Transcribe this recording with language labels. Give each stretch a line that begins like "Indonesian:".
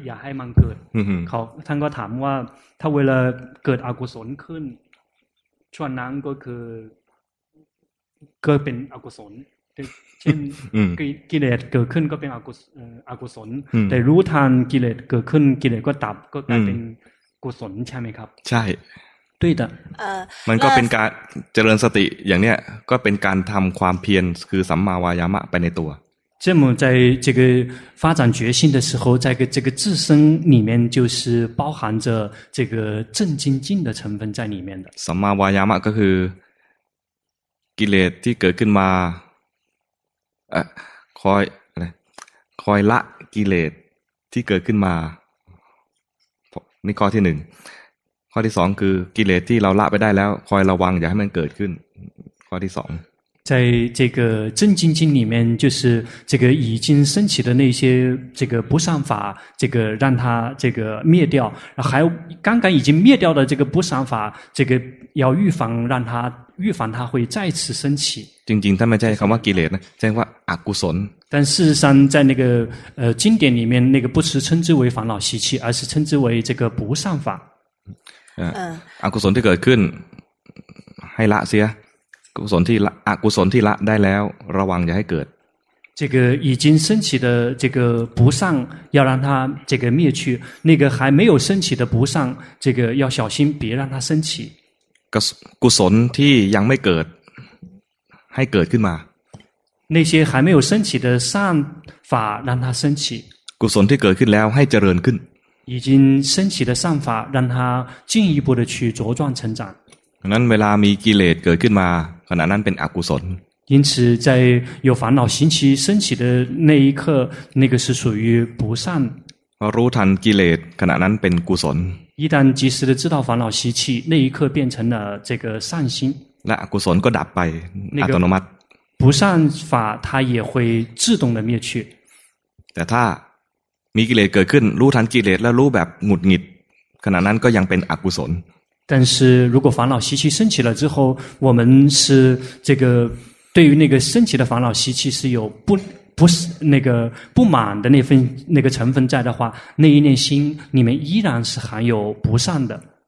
Thai: อย่าให้มันเกิดเขาท่านก็ถามว่าถ้าเวลาเกิดอกุศลขึ้นช่วงนั้นก็คือก็เป็นอกุศลเช่นกิเลสเกิดขึ้นก็เป็นอกุศลแต่รู้ทันกิเลสเกิดขึ้นกิเลสก็ดับก็กลายเป็นกุศลใช่ไหมครับ ใช่ด้วย มันก็เป็นการเจริญสติอย่างเนี้ยก็เป็นการทำความเพียรคือสัมมาวายามะไปในตัว
Chinese: 这么在这个发展觉性的时候在这个自身里面就是包含着这个正精进的成分在里面的
Thai: สัมมาวายามะก็คือกิเลสที่เกิดขึ้นมาคอยละกิเลสที่เกิดขึ้นมานี่ข้อที่หนึ่งข้อที่สองคือกิเลสที่เราละไปได้แล้วคอยระวังอย่าให้มันเกิดขึ้นข้อที่สอง
Chinese: 在这个正精进里面就是这个已经升起的那些这个不善法这个让它这个灭掉还刚刚已经灭掉的这个不善法这个要预防让它预防它会再次升起正经他们在说什么在说阿古孙但事实上在那个经典里面那个不是称之为烦恼习气而是称之为这个不善法阿古孙这个更害怕些
Thai: กุศลที่ละอกุศลที่ละได้แล้วระวังอย่าให้เกิด
Chinese: 这个已经升起的这个不善要让它这个灭去那个还没有升起的不善这个要小心别让它升起
Thai: กุศลที่ยังไม่เกิดให้เกิดขึ้นมา
Chinese: 那些还没有升起的善法让它升起
Thai: กุศลที่เกิดขึ้นแล้วให้เจริญขึ้น
Chinese: 已经升起的善法让它进一步的去茁壮成长
Thai: นั้นเวลามีกิเลสเกิดขึ้นมาขณะนั้นเป็นอกุศล
Chinese: 因此在有烦恼行起升起的那一刻那个是属于不善
Thai: รู้ทันกิเลสขณะนั้นเป็นกุศล
Chinese: 一旦及时的知道烦恼习气那一刻变成了这个善心
Thai: และอกุศลก็ดับไปอัตโนมัติ
Chinese: 不善法它也会自动的灭去
Thai: แต่ถ้ามีกิเลสเกิดขึ้นรู้ทันกิเลสแล้วรู้แบบหงุดหงิดขณะนั้นก็ยังเป็นอกุศล
Chinese: 但是如果烦恼习气升起了之后我们是这个对于那个升起的烦恼习气是有不是那个不满的那份那个成分在的话那一念心里面依然是含有不善的